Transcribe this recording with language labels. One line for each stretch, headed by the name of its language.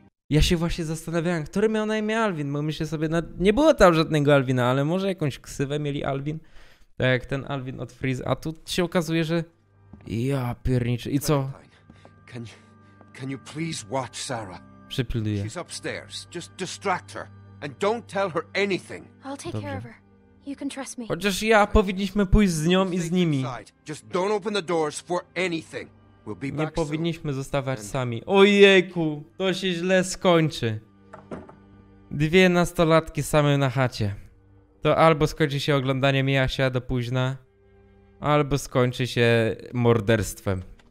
Polish: Ja się właśnie zastanawiałem, który miał na imię Alvin, bo myślę sobie, nad... nie było tam żadnego Alvina, ale może jakąś ksywę mieli Alvin? Tak jak ten Alvin od Freeze, a tu się okazuje, że... Ja pierniczy. I co?
English: Can you please watch Sarah?
Polish: Przypilnuję.
English: She's upstairs. Just distract her. And don't tell her anything. I'll take care of her. You can trust me.
Polish: Chociaż ja, powinniśmy pójść z nią i z nimi.
English: Just don't open the doors for anything.
Polish: Nie powinniśmy zostawać sami. Ojejku, to się źle skończy. Dwie nastolatki same na chacie. To albo skończy się oglądaniem Jasia do późna, albo skończy się morderstwem.